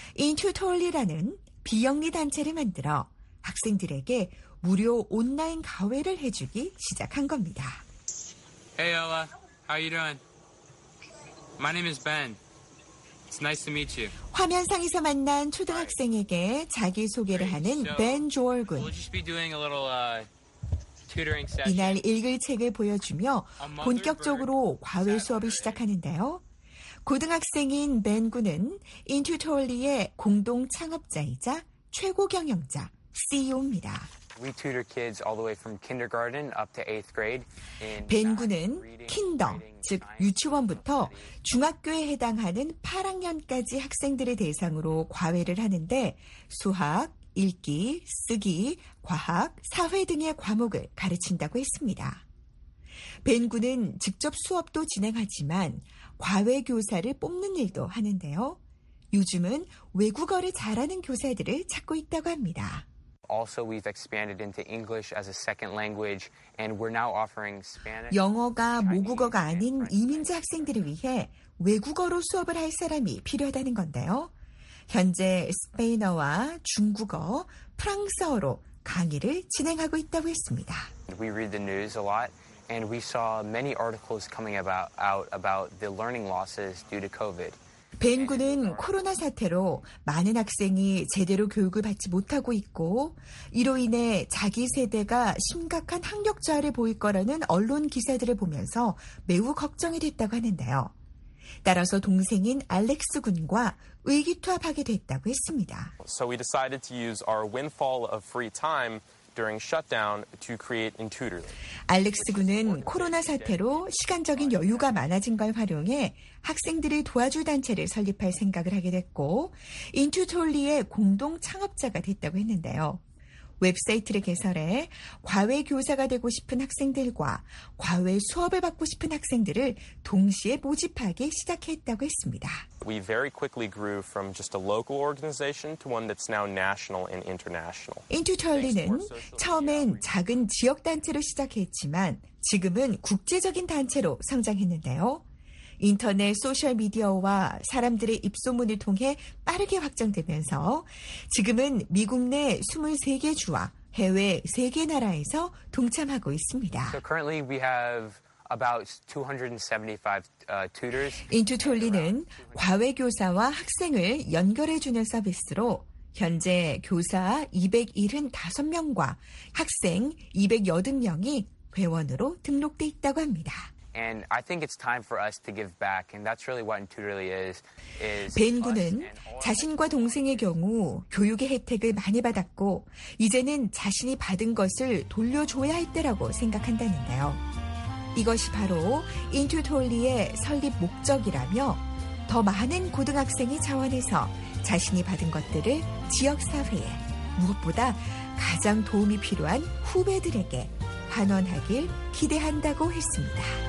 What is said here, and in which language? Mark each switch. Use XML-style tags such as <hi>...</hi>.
<ko>인튜토리라는 비영리 단체를 만들어 학생들에게 무료 온라인 과외를 해주기 시작한 겁니다.</ko> <en>Hey Ella, how you doing? My name is Ben. It's nice to meet you.</en> <ko>화면상에서 만난 초등학생에게 자기 소개를 하는 벤 조얼 군.</ko> <en>We'll just be doing a little tutoring session.</en> <ko>이날 읽을 책을 보여주며 본격적으로 과외 수업을 시작하는데요. 고등학생인 벤 군은 인튜토리의 공동 창업자이자 최고 경영자 CEO입니다.</ko> <en>We tutor kids all the way from kindergarten up to eighth grade.</en> <ko>벤 군은 킨더, 즉 유치원부터 중학교에 해당하는 8학년까지 학생들을 대상으로 과외를 하는데 수학, 읽기, 쓰기, 과학, 사회 등의 과목을 가르친다고 했습니다. 벤 군은 직접 수업도 진행하지만 과외 교사를 뽑는 일도 하는데요. 요즘은 외국어를 잘하는 교사들을 찾고 있다고 합니다.</ko> <en>Also, we've expanded into English as a second language, and we're now offering Spanish.</en> <ko>영어가 모국어가 아닌 이민자 학생들을 위해 외국어로 수업을 할 사람이 필요하다는 건데요. 현재 스페인어와 중국어, 프랑스어로 강의를 진행하고 있다고 했습니다.</ko> <en>We read the news a lot, and we saw many articles coming out about the learning losses due to COVID.</en> <ko>벤 군은 코로나 사태로 많은 학생이 제대로 교육을 받지 못하고 있고 이로 인해 자기 세대가 심각한 학력 저하를 보일 거라는 언론 기사들을 보면서 매우 걱정이 됐다고 하는데요. 따라서 동생인 알렉스 군과 의기투합하게 됐다고 했습니다.</ko> <en>So we decided to use our windfall of free time during shutdown to create Intutorly.</en> <ko>알렉스 군은 코로나 사태로 시간적인 여유가 많아진 걸 활용해 학생들을 도와줄 단체를 설립할 생각을 하게 됐고 인튜톨리의 공동 창업자가 됐다고 했는데요. 웹사이트를 개설해 과외 교사가 되고 싶은 학생들과 과외 수업을 받고 싶은 학생들을 동시에 모집하기 시작했다고 했습니다.</ko> <en>We very quickly grew from just a local organization to one that's now national and international.</en> <ko>인튜톨리는 처음엔 작은 지역 단체로 시작했지만 지금은 국제적인 단체로 성장했는데요. 인터넷 소셜미디어와 사람들의 입소문을 통해 빠르게 확장되면서 지금은 미국 내 23개 주와 해외 3개 나라에서 동참하고 있습니다.</ko> <en>So currently we have about 275 tutors.</en> <ko>인튜톨리는 과외 교사와 학생을 연결해 주는 서비스로 현재 교사 275명과 학생 280명이 회원으로 등록돼 있다고 합니다.</ko> <en>And I think it's time for us to give back, and that's really what Intutorly is.</en> <ko>벤 군은 자신과 동생의 경우 교육의 혜택을 많이 받았고 이제는 자신이 받은 것을 돌려줘야 할 때라고 생각한다는데요. 이것이 바로 Intutorly의 설립 목적이라며 더 많은 고등학생이 자원해서 자신이 받은 것들을 지역 사회에 무엇보다 가장 도움이 필요한 후배들에게 환원하길 기대한다고 했습니다.</ko>